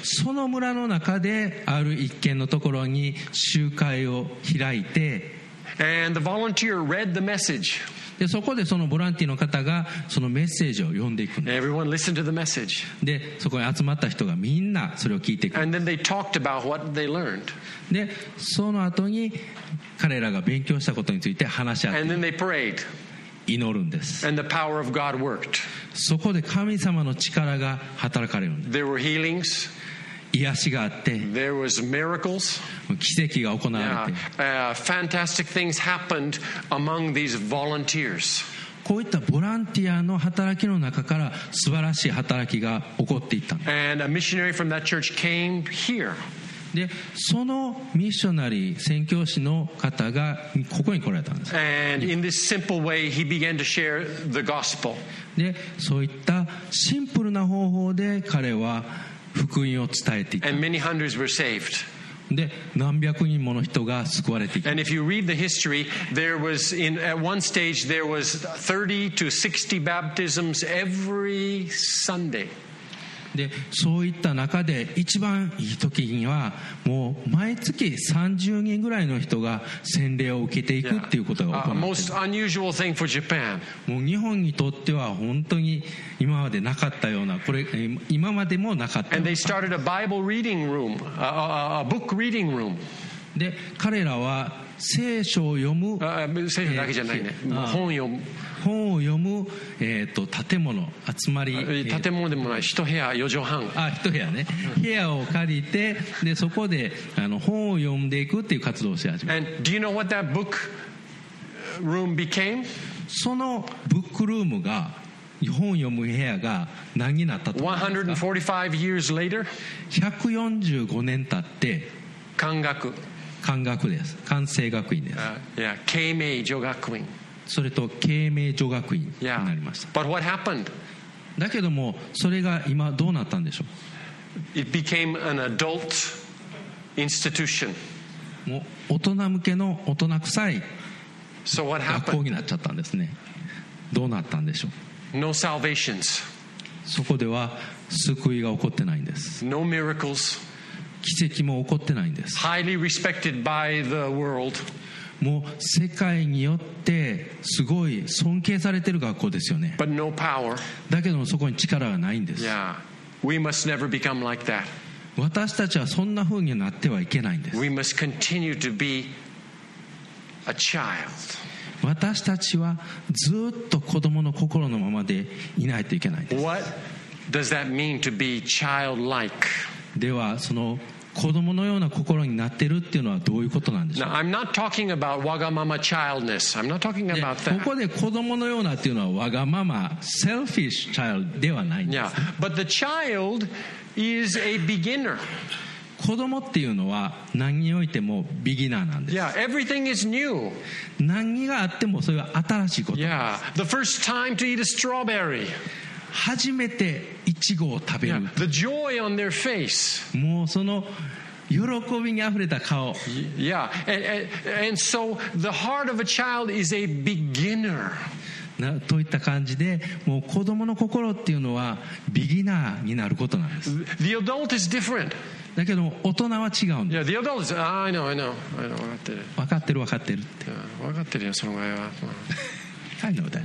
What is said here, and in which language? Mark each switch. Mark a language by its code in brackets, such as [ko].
[ja] その村の中である一軒のところに集会を開いて、 [en] And the volunteer read the message. [ja] で、そこでそのボランティアの方がそのメッセージを読んでいくんです。 [en] Everyone listened to the message. [ja] で、そこに集まった人がみんなそれを聞いていく。 [en] And then they talked about what they learned. [ja] で、その後に彼らが勉強したことについて話し合って祈るんです。 [en] And the power of God worked. [ja] そこで神様の力が働かれるんです。 [en] There were healings. [ja] 癒しがあって [en] There was miracles. [ja] 奇跡が行われて [en] yeah. Fantastic things happened among these volunteers. [ja] こういったボランティアの働きの中から素晴らしい働きが起こっていったんです。 [en] And a missionary from that church came here. [ja] でそのミッショナリー宣教師の方がここに来られたんです。 [en] And in this simple way he began to share the gospel. [ja] でそういったシンプルな方法で彼は福音を伝えていた。 [en] And many hundreds were saved. [ja] で何百人もの人が救われていた。 [en] And if you read the history, there was in, at one stage there was 30 to 60 baptisms every Sunday. [ja] でそういった中で一番いい時にはもう毎月30人ぐらいの人が洗礼を受けていくっていうことが起こる。 [en] Yeah. Most unusual thing for Japan. [ja] もう日本にとっては本当に今までなかったような、これ今までもなかった。 [en] And they started a Bible reading room, a book reading room. [ja] で彼らは聖書を読む、聖書だけじゃないね、本を読む、本を読む、建物、集まり、建物でもない、一部屋、四畳半、あ、一部屋ね、部屋を借りて、でそこで本を読んでいくっていう活動をし始めた。 [en] And do you know what that book room became? [ja] そのブックルームが、本を読む部屋が何になったと思いますか？ [en] 145 years later? [ja] 145年経って、関学、関学です、関西学院です、 yeah. 慶明女学院、それと慶明女学院になりました、 [en] yeah. But what happened? [ja] だけどもそれが今どうなったんでしょう。 [en] It became an adult institution. [ja] もう大人向けの大人臭い学校になっちゃったんですね。どうなったんでしょう。 [en] No salvations. [ja] そこでは救いが起こってないんです。 [en] No miracles. [ja] 奇跡も起こってないんです。 [en] Highly respected by the world. [ja] もう世界によってすごい尊敬されてる学校ですよね。 [en] But no power. [ja] だけどもそこに力がないんです。 [en] Yeah. We must never become like that. [ja] 私たちはそんな風になってはいけないんです。 [en] We must continue to be a child. [ja] 私たちはずっと子供の心のままでいないといけないんです。 [en] What does that mean to be childlike? [ja] ではその子供のような心になってるっていうのはどういうことなんでしょう。 [en] Now, I'm not talking about わがまま childness. I'm not talking about that. [ja] ここで子供のようなっていうのはわがまま [en] selfish child [ja] ではないんです。 [en] Yeah. But the child is a beginner. [ja] 子供っていうのは何においてもビギナーなんです。 [en] Yeah. Everything is new. [ja] 何があってもそれは新しいことです。 [en] Yeah. The first time to eat a strawberry. [ja] 初めてイチゴを食べる。 [en] Yeah, the joy on their face. [ja] もうその喜びにあふれた顔。 [en] Yeah, and so the heart of a child is a beginner. [ja] なといった感じで、もう子供の心っていうのはビギナーになることなんです。 [en] The adult is different. [ja] だけど大人は違うんです。 [en] Yeah, the adult is. I know. [ja] 分かってる。分かってる分かってるって。 Yeah, 分かってるよその場合は。 [en] I know that.